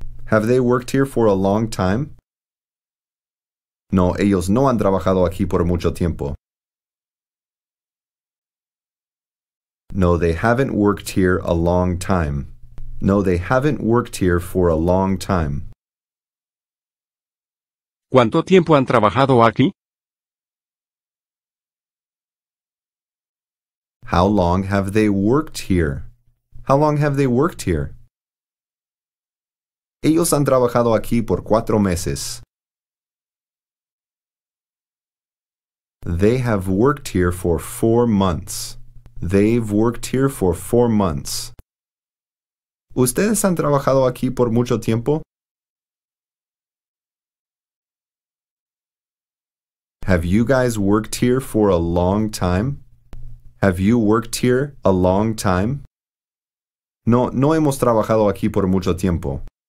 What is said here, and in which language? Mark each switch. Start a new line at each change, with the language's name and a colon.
English: Have they worked here for a long time?
Spanish: No, ellos no han trabajado aquí por mucho tiempo.
English: No, they haven't worked here a long time. No, they haven't worked here for a long time.
Spanish: ¿Cuánto tiempo han trabajado aquí?
English: How long have they worked here? How long have they worked here?
Spanish: Ellos han trabajado aquí por 4 meses.
English: They have worked here for 4 months. They've worked here for 4 months.
Spanish: ¿Ustedes han trabajado aquí por mucho tiempo?
English: Have you guys worked here for a long time? Have you worked here a long time?
Spanish: No, no hemos trabajado aquí por mucho tiempo.